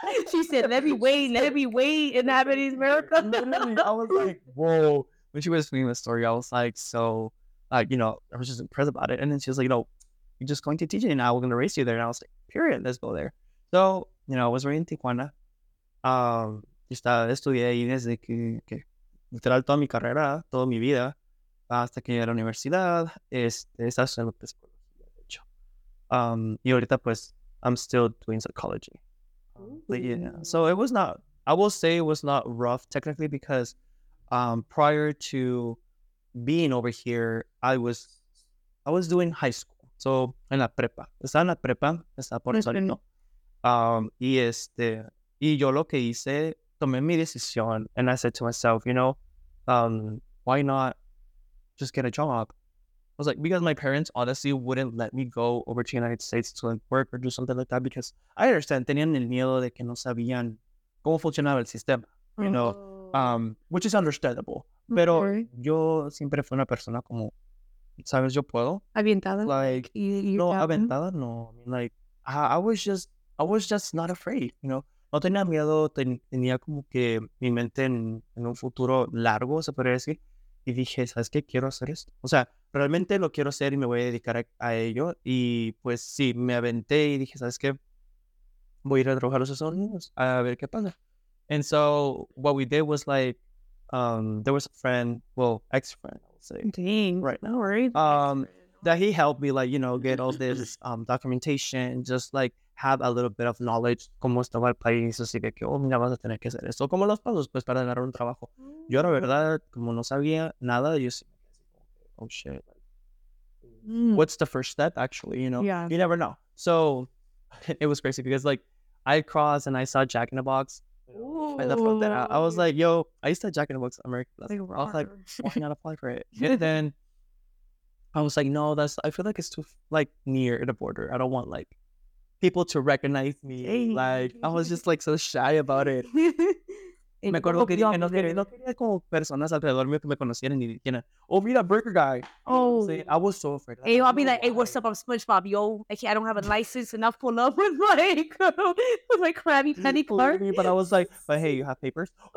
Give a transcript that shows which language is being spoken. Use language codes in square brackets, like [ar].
[en] She said, let me wait and have it in America. I was like, whoa. When she was telling the story, I was like, so, like, you know, I was just impressed about it. And then she was like, you know, you're just going to TJ and I'm going to race you there. And I was like, period, let's go there. So, you know, I was right in Tijuana. [es] Estudié ahí desde que literal toda mi carrera, toda mi vida, hasta que llegué a la universidad. Estaba estudiando psicología, de hecho. Y ahorita, pues, [en] I'm still doing psychology. But, yeah. So it was not, I will say it was not rough technically because prior to being over here, I was doing high school. [es] So en la prepa. Estaba en la prepa, estaba por eso, no. Y yo lo que hice, tomé mi decisión, [en] and I said to myself, you know, why not just get a job? I was like, because my parents honestly wouldn't let me go over to the United States to like work or do something like that, because I understand, [es] tenían el miedo de que no sabían cómo funcionaba el sistema, [en] you know, which is understandable, pero okay. [es] Yo siempre fui una persona como, sabes, yo puedo. Aventada. Like, aventada, no. [en] Like, I was just not afraid, you know. [es] No tenía miedo, tenía como que mi mente en un futuro largo, se podría decir. Y dije, ¿sabes qué? Quiero hacer esto. O sea, realmente lo quiero hacer y me voy a dedicar a ello. Y pues sí, me aventé y dije, ¿sabes qué? Voy a ir a trabajar a los Estados Unidos a ver qué pasa. [en] And so, what we did was like, there was a friend, well, ex-friend, I'll say. Dang, right now, right? That he helped me, like, you know, get all this documentation, just like, have a little bit of knowledge, [es] cómo estaba el país, así que, oh, mira, vas a tener que hacer esto, como los pasos, pues, para ganar un trabajo. Yo, la verdad, como no sabía nada, yo sí, [en] oh, shit. What's the first step, actually, you know? Yeah. You never know. So, it was crazy, because, like, I crossed, and I saw Jack in the Box. Ooh. By the front there. I was like, yo, I used to have Jack in the Box in America. That's like, I was like, why not apply for it? And then, I was like, no, that's, I feel like it's too, like, near the border. I don't want, like, people to recognize me. Hey. Like, I was just like so shy about it. [es] Me acuerdo que dije, no quería como personas alrededor mío que me conocieran ni siquiera. Oh, mira, Burger Guy. Oh. [en] See, I was so afraid. Hey, I'll be like, hey, what's up? I'm SpongeBob, yo. I don't have a license enough for love with my crabby penny clerk. But I was like, but hey, you have papers?